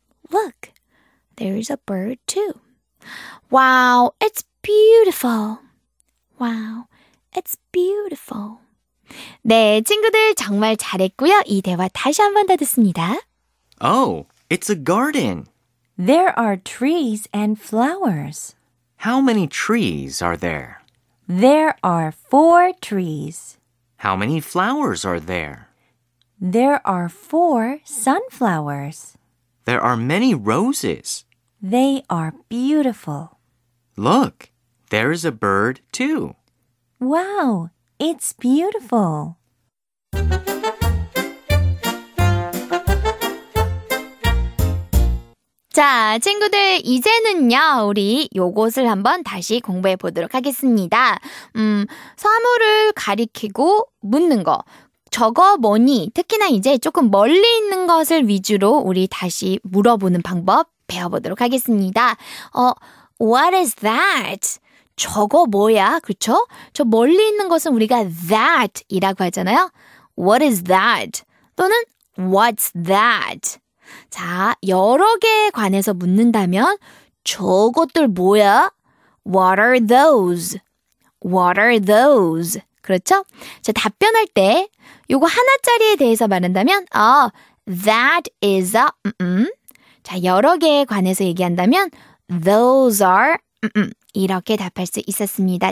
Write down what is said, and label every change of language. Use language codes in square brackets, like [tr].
[en] Look, there is a bird too. Wow, it's beautiful. Wow, it's beautiful. [ko] 네, 친구들 정말 잘했고요. 이 대화 다시 한 번 더 듣습니다. [en] Oh, it's a garden. There are trees and flowers. How many trees are there? There are four trees. How many flowers are there? There are four sunflowers. There are many roses. They are beautiful. Look, there is a bird too. Wow! It's beautiful. [ko] 자, 친구들 이제는요 우리 요것을 한번 다시 공부해 보도록 하겠습니다. 사물을 가리키고 묻는 거. 저거 뭐니? 특히나 이제 조금 멀리 있는 것을 위주로 우리 다시 물어보는 방법 배워보도록 하겠습니다. [en] What is that? [ko] 저거 뭐야? 그쵸? 저 멀리 있는 것은 우리가 that이라고 하잖아요. [en] What is that? [ko] 또는 [en] what's that? [ko] 자, 여러 개에 관해서 묻는다면 저것들 뭐야? [en] What are those? What are those? [ko] 그렇죠? 자, 답변할 때 요거 하나짜리에 대해서 말한다면 that is a 자, 여러 개에 관해서 얘기한다면 those are 이렇게 답할 수 있었습니다.